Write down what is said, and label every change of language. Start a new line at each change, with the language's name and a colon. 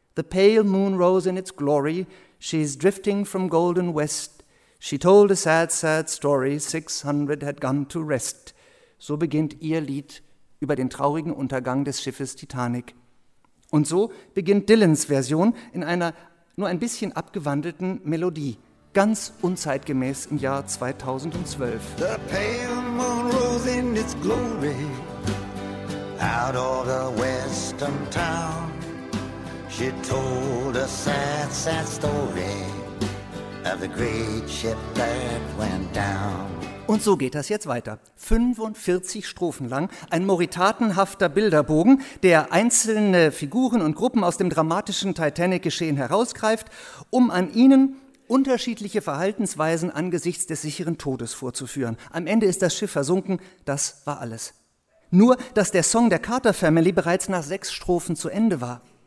English: The pale moon rose in its glory, she's drifting from golden west, she told a sad, sad story, 600 had gone to rest.
German: So beginnt ihr Lied über den traurigen Untergang des Schiffes Titanic. Und so beginnt Dylans Version in einer nur ein bisschen abgewandelten Melodie, ganz unzeitgemäß im Jahr 2012.
English: The pale moon rose in its glory, out of the western town. She told a sad, sad story of the great ship that went down.
German: Und so geht das jetzt weiter. 45 Strophen lang, ein moritatenhafter Bilderbogen, der einzelne Figuren und Gruppen aus dem dramatischen Titanic-Geschehen herausgreift, um an ihnen unterschiedliche Verhaltensweisen angesichts des sicheren Todes vorzuführen. Am Ende ist das Schiff versunken, das war alles. Nur, dass der Song der Carter Family bereits nach 6 Strophen zu Ende war.